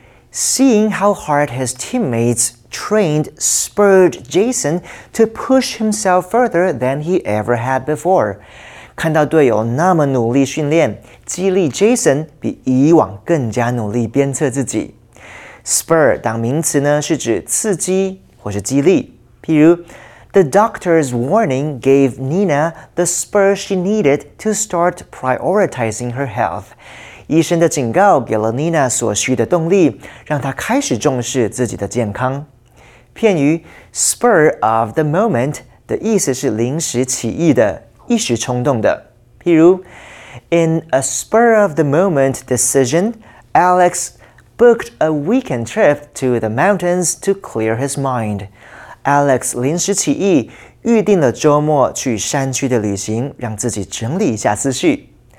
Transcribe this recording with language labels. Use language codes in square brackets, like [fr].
[en] Seeing how hard his teammates trained spurred Jason to push himself further than he ever had before. [zh] 看到队友那么努力训练，激励 Jason 比以往更加努力鞭策自己。 Spur 当名词呢，是指刺激或是激励。 [en] 譬如 ，The doctor's warning gave Nina the spur she needed to start prioritizing her health. [zh] 医生的警告给了 Nina 所需的动力，让她开始重视自己的健康。片语 spur of the moment 的意思是临时起意的，一时冲动的。 [en] 譬如 ，In a spur of the moment decision, Alex booked a weekend trip to the mountains to clear his mind. [zh] Alex 临时起意，预定了周末去山区的旅行，让自己整理一下思绪。